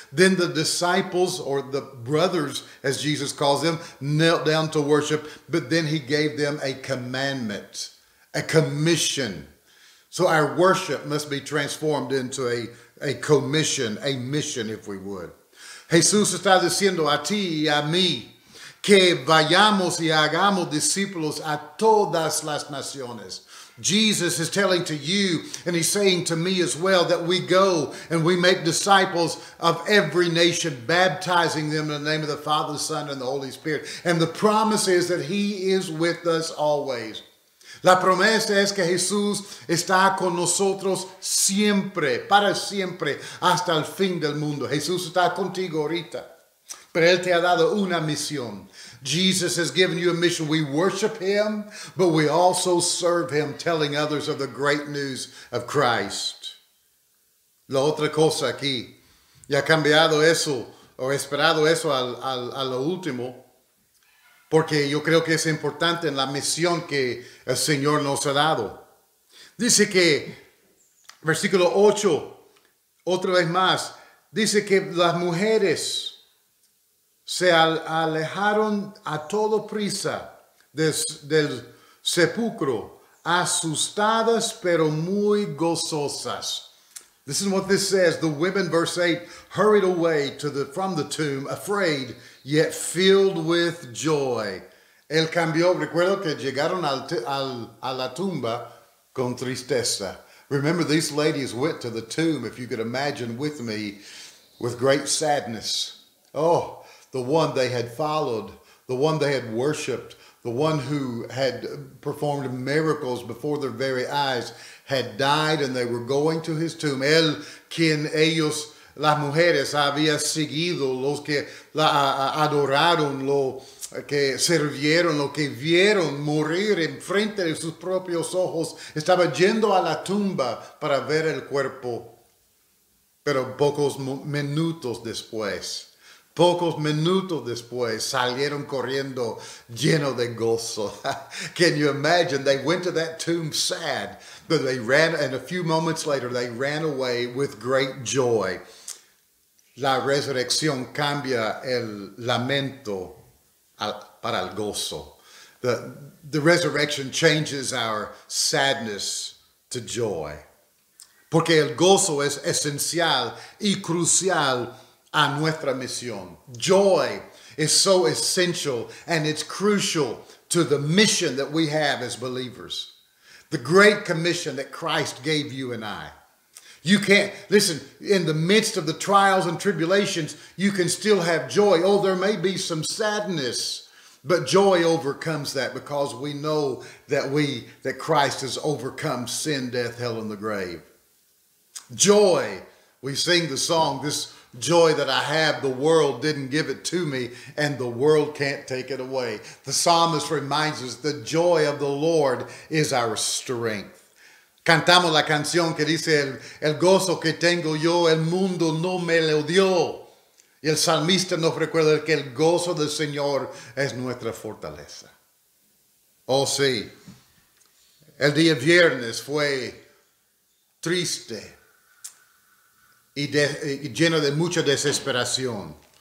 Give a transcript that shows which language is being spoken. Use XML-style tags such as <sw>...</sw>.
<en>Then the disciples, or the brothers, as Jesus calls them, knelt down to worship. But then he gave them a commandment, a commission. So our worship must be transformed into a commission, a mission, if we would.</en> <es>Jesús está diciendo a ti y a mí que vayamos y hagamos discípulos a todas las naciones.</es> <en>Jesus is telling to you, and he's saying to me as well, that we go and we make disciples of every nation, baptizing them in the name of the Father, the Son, and the Holy Spirit. And the promise is that he is with us always.</en> <es>La promesa es que Jesús está con nosotros siempre, para siempre, hasta el fin del mundo. Jesús está contigo ahorita. Pero él te ha dado una misión.</es> <en>Jesus has given you a mission. We worship him, but we also serve him, telling others of the great news of Christ.</en> <es>La otra cosa aquí, ya ha cambiado eso, o esperado eso a lo último, porque yo creo que es importante en la misión que el Señor nos ha dado. Dice que, versículo 8, otra vez más, dice que las mujeres se alejaron a toda prisa del sepulcro, asustadas pero muy gozosas.</es> <en>This is what this says. The women, verse 8, hurried away from the tomb, afraid, yet filled with joy.</en> <es>El cambio, recuerdo que llegaron a la tumba con tristeza.</es> <en>Remember, these ladies went to the tomb, if you could imagine with me, with great sadness. Oh, the one they had followed, the one they had worshipped, the one who had performed miracles before their very eyes had died, and they were going to his tomb.</en> <es>El quien ellos, las mujeres, había seguido, los que la adoraron, lo que sirvieron, lo que vieron morir en frente de sus propios ojos, estaba yendo a la tumba para ver el cuerpo. Pero pocos minutos después, salieron corriendo lleno de gozo.</es> <en>Can you imagine? They went to that tomb sad, but they ran, and a few moments later, they ran away with great joy.</en> <es>La resurrección cambia el lamento para el gozo.</es> <en>The resurrection changes our sadness to joy.</en> <es>Porque el gozo es esencial y crucial a nuestra misión.</es> <en>Joy is so essential, and it's crucial to the mission that we have as believers. The great commission that Christ gave you and I. You can't, listen, in the midst of the trials and tribulations, you can still have joy. Oh, there may be some sadness, but joy overcomes that because we know that Christ has overcome sin, death, hell, and the grave. Joy, we sing the song, this joy that I have, the world didn't give it to me, and the world can't take it away. The psalmist reminds us, the joy of the Lord is our strength.</en> <es>Cantamos la canción que dice, el gozo que tengo yo, el mundo no me lo dio. Y el salmista nos recuerda que el gozo del Señor es nuestra fortaleza. Oh, sí. El día viernes fue triste y lleno de mucha desesperación.</es>